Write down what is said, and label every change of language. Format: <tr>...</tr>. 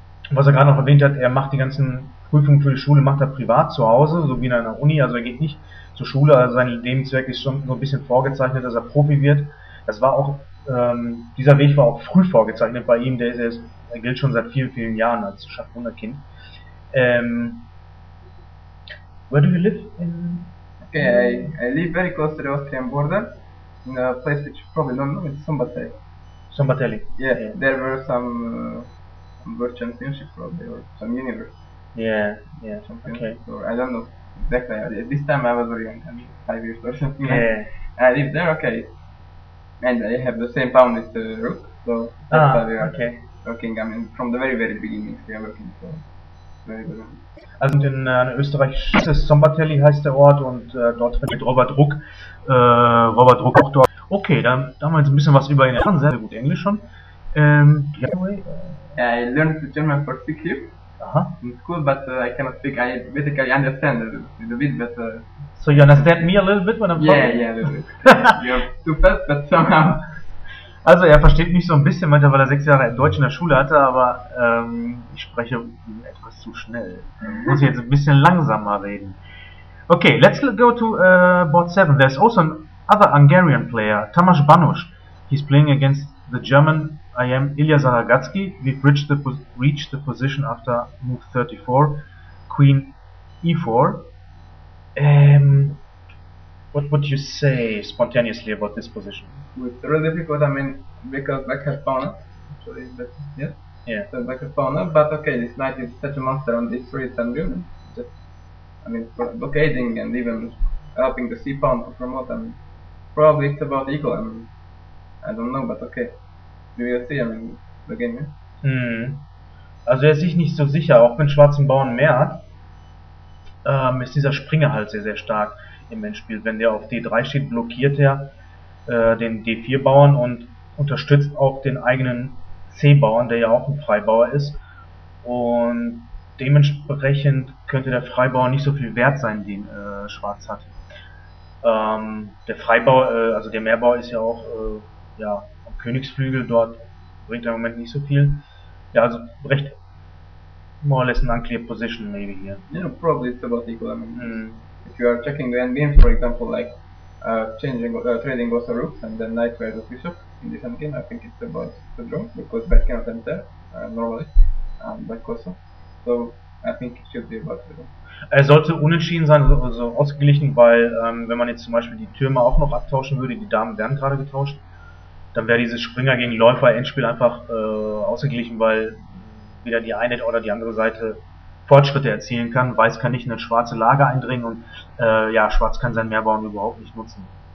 <de>Was er gerade noch erwähnt hat, er macht die ganzen Prüfungen für die Schule, macht er privat zu Hause, so wie in einer Uni, also er geht nicht zur Schule, also sein Lebenswerk ist schon so ein bisschen vorgezeichnet, dass er Profi wird. Das war auch, dieser Weg war auch früh vorgezeichnet bei ihm, er gilt schon seit vielen, vielen Jahren als Schachwunderkind.</de> <en>Where do you live? Okay, I live very close to the Austrian border, in a place which you probably don't know, it's Szombathely. Szombathely. Yeah, there were some world championship probably, or some universe. Yeah, okay. So I don't know exactly. At this time I was very young, I mean, 5 years or something. Yeah. I live there, okay. And I have the same pawn with Rook, so that's why we are working. I mean, from the very, very beginning we are working, so very good.</en> <de>Also in Österreich ist es Szombathely heißt der Ort und dort mit Robert Rook. Robert Rook auch dort. Okay, dann haben wir jetzt ein bisschen was über ihn erfahren. Sehr gut Englisch schon.</de> <en>I learned the German for 6 years. Aha. In school, but I cannot speak. I basically understand a bit, but. So you understand me a little bit when I'm talking? Yeah, yeah, a little bit. You're too fast, but somehow.</en> <de>Also er versteht mich so ein bisschen, meinte, weil er 6 Jahre Deutsch in der Schule hatte, aber ich spreche etwas zu schnell. Mhm. Muss jetzt ein bisschen langsamer reden.</de> <en>Okay, let's go to board 7. There's also another Hungarian player, Tamás Banos. He's playing against the German IM Ilya Zaragatsky. We've reached the position after move 34, queen e4. What would you say spontaneously about this position? It's really difficult, I mean, because black has pawn. actually, but yes. Yeah. So like a pawn, but okay, this knight is such a monster on d3, it's unreal. Just, I mean, for blockading and even helping the c pawn to promote, I mean, probably it's about equal, I mean, I don't know, but okay. We will see, I mean, the game, yeah? Hmm.</en> <de>Also er ist sich nicht so sicher, auch wenn schwarzen Bauern mehr hat, ist dieser Springer halt sehr, sehr stark im Endspiel. Wenn der auf d3 steht, blockiert er den d4 Bauern und unterstützt auch den eigenen c-Bauern, der ja auch ein Freibauer ist. Und dementsprechend könnte der Freibauer nicht so viel wert sein, den schwarz hat. Der Freibauer, also der Mehrbauer ist ja auch ja, am Königsflügel, dort bringt er im Moment nicht so viel. Ja, also recht</de> <en>more or less an unclear position maybe here. Yeah, probably it's about equal. I mean, if you are checking the endgame, for example, like changing trading both the rooks and then knight pairs of bishop in this endgame, I think it's about the draw because black cannot enter normally, black also. So I think it should be about the draw.</en> <de>Er sollte unentschieden sein, also ausgeglichen, weil wenn man jetzt zum Beispiel die Türme auch noch abtauschen würde, die Damen werden gerade getauscht. Dann wäre dieses Springer gegen Läufer Endspiel einfach ausgeglichen, weil weder die eine oder die andere Seite Fortschritte erzielen kann. Weiß kann nicht in das schwarze Lager eindringen und ja, Schwarz kann sein Mehrbauern überhaupt nicht nutzen.</de>